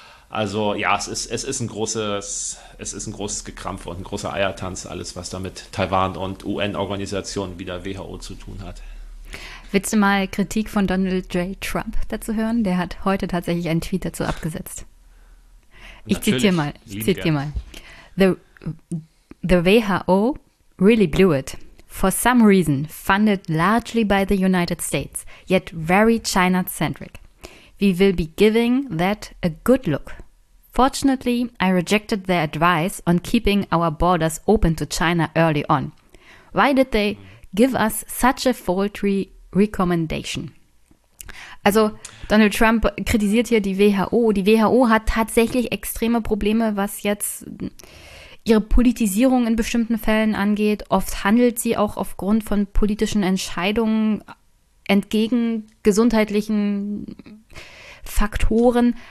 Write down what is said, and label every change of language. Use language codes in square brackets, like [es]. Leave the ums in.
[de] Also ja, es ist, es ist ein großes, es ist ein großes Gekrampf und ein großer Eiertanz, alles was damit Taiwan und UN-Organisationen wie der WHO zu tun hat. Willst du mal Kritik von Donald J. Trump dazu hören? Der hat heute tatsächlich einen Tweet dazu abgesetzt. Ich Natürlich, zitiere mal. Ich lieben zitiere mal. [en] The, the WHO really blew it. For some reason, funded largely by the United States, yet very China-centric. We will be giving that a good look. Fortunately, I rejected their advice on keeping our borders open to China early on. Why did they give us such a faulty recommendation? [de] Also Donald Trump kritisiert hier die WHO. Die WHO hat tatsächlich extreme Probleme, was jetzt ihre Politisierung in bestimmten Fällen angeht. Oft handelt sie auch aufgrund von politischen Entscheidungen entgegen gesundheitlichen Faktoren.